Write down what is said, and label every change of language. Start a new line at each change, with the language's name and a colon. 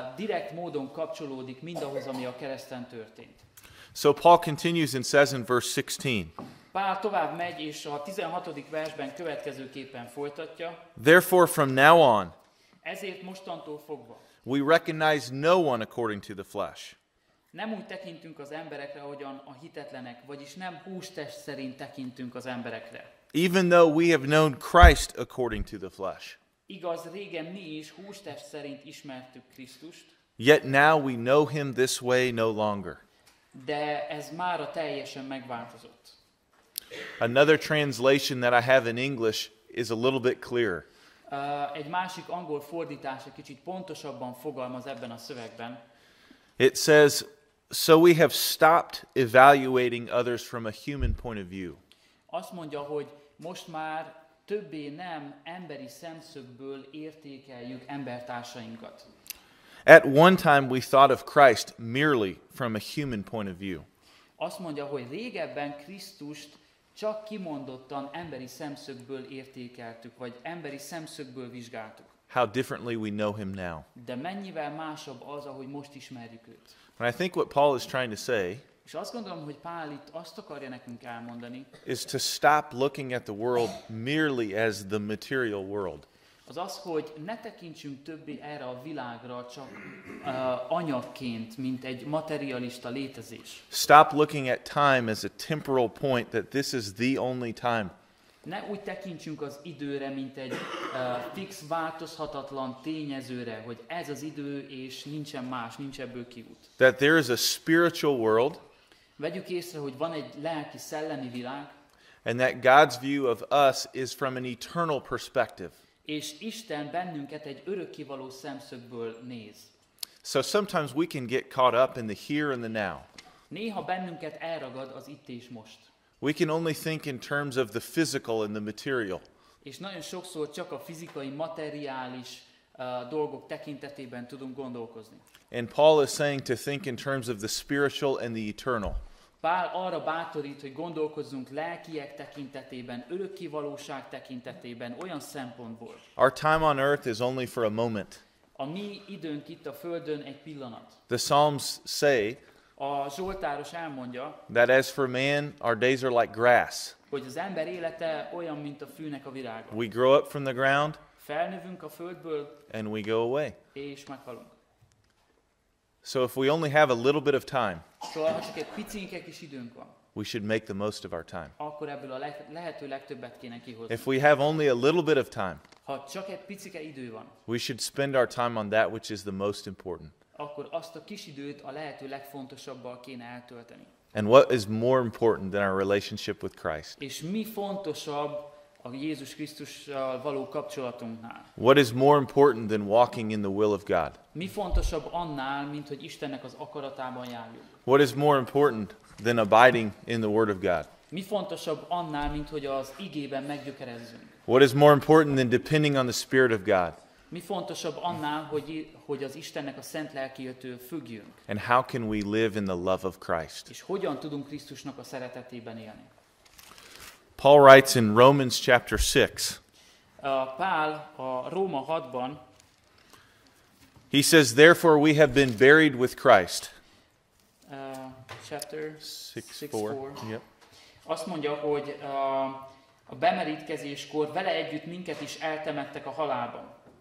Hungarian: Direkt módon kapcsolódik mindahhoz, ami a kereszten történt.
English: So Paul continues and says in verse 16.
Hungarian: Pál tovább megy, és a 16. versben következőképpen folytatja.
English: Therefore from now on.
Hungarian: Ezért mostantól fogva.
English: We recognize no one according to the flesh.
Hungarian: Nem úgy tekintünk az emberekre, ahogyan a hitetlenek, vagyis nem hústest szerint tekintünk az emberekre.
English: Even though we have known Christ according to the flesh.
Hungarian: Igaz, régen mi is hústest szerint ismertük Krisztust.
English: Yet now we know him this way no longer.
Hungarian: De ez mára teljesen megváltozott.
English: Another translation that I have in English is a little bit clearer.
Hungarian: Egy másik angol fordítás egy kicsit pontosabban fogalmaz ebben a szövegben.
English: It says, so we have stopped evaluating others from a human point of view.
Hungarian: Azt mondja, hogy most már többé nem emberi szemszögből értékeljük embertársainkat.
English: At one time we thought of Christ merely from a human point of view.
Hungarian: Azt mondja, hogy régebben Krisztust csak kimondottan emberi szemszögből értékeltük, vagy emberi szemszögből vizsgáltuk.
English: How differently we know him now.
Hungarian: De mennyivel másabb az, ahogy most ismerjük őt.
English: And I think what Paul is trying to say,
Hungarian: és azt gondolom, hogy Pál itt azt akarja nekünk elmondani,
English: is to stop looking at the world merely as the material world.
Hungarian: Az az, hogy ne tekintsünk többé erre a világra csak anyagként, mint egy materialista létezés.
English: Stop looking at time as a temporal point that this is the only time.
Hungarian: Ne úgy tekintsünk az időre, mint egy fix, változhatatlan tényezőre, hogy ez az idő, és nincsen más, nincs ebből kiút.
English: That there is a spiritual world.
Hungarian: Vegyük észre, hogy van egy lelki, szellemi világ.
English: And that God's view of us is from an eternal perspective.
Hungarian: És Isten bennünket egy örökkivaló szemszögből néz.
English: So sometimes we can get caught up in the here and the now.
Hungarian: Néha bennünket elragad az itt és most.
English: We can only think in terms of the physical and the material.
Hungarian: És nagyon sokszor csak a fizikai, materiális dolgok tekintetében tudunk gondolkozni.
English: And Paul is saying to think in terms of the spiritual and the eternal.
Hungarian: Pál arra bátorít, hogy gondolkozzunk lelkiek tekintetében, örökké valóság tekintetében, olyan szempontból.
English: Our time on earth is only for a moment.
Hungarian: A mi időnk itt a Földön egy pillanat.
English: The Psalms say,
Hungarian: A Zsoltáros elmondja,
English: that as for man, our days are like grass.
Hungarian: Hogy az ember élete olyan, mint a fűnek a virága.
English: We grow up from the ground,
Hungarian: felnövünk a földből,
English: and we go away.
Hungarian: És meghalunk.
English: So if we only have a little bit of time,
Hungarian: szóval, ha csak egy picinkek is időnk van,
English: we should make the most of our time.
Hungarian: Akkor ebből a lehető legtöbbet kéne kihozni.
English: If we have only a little bit of time,
Hungarian: ha csak egy picike idő van,
English: we should spend our time on that which is the most important.
Hungarian: Akkor azt a kis időt a lehető legfontosabbal kéne eltölteni.
English: And what is more important than our relationship with Christ?
Hungarian: És mi fontosabb a Jézus Krisztussal való kapcsolatunknál?
English: What is more important than walking in the will of God?
Hungarian: Mi fontosabb annál, mint hogy Istennek az akaratában járjunk?
English: What is more important than abiding in the Word of God?
Hungarian: Mi fontosabb annál, mint hogy az igében meggyökerezzünk?
English: What is more important than depending on the Spirit of God?
Hungarian: Mi fontosabb annál, hogy az Istennek a szent lelkétől függjünk?
English: And how can we live in the love of Christ?
Hungarian: És hogyan tudunk Krisztusnak a szeretetében élni?
English: Paul writes in Romans chapter 6.
Hungarian: Pál a Róma 6-ban.
English: He says, therefore we have been buried with Christ. Chapter 6:4. Yep.
Hungarian: Azt mondja, hogy a bemerítkezéskor vele együtt minket is eltemettek a halálban.